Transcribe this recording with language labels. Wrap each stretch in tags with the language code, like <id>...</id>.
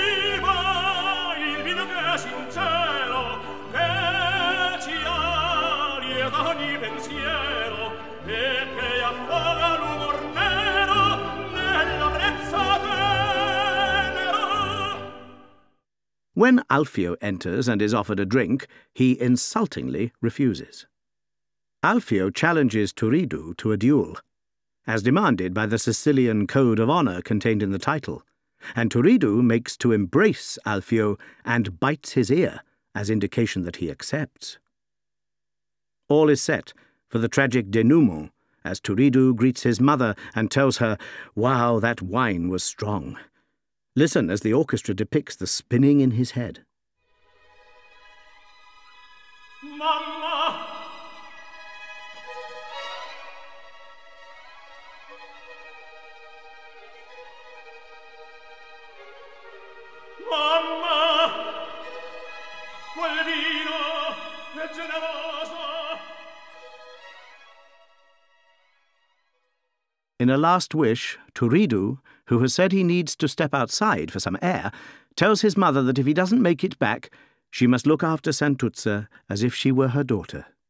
<it>Viva il vino che è sincero, che ci alieta ogni pensiero e che affoga l'umor nero nell'ebbrezza tenera.</it> <en>When Alfio enters and is offered a drink, he insultingly refuses. Alfio challenges Turiddu to a duel, as demanded by the Sicilian code of honour contained in the title, and Turiddu makes to embrace Alfio and bites his ear as indication that he accepts. All is set for the tragic denouement as Turiddu greets his mother and tells her, "Wow, that wine was strong." Listen as the orchestra depicts the spinning in his head. Mama!</en> <it>Mamma, quel vino è generoso.</it> <en>In a last wish, Turiddu, who has said he needs to step outside for some air, tells his mother that if he doesn't make it back, she must look after Santuzza as if she were her daughter.</en>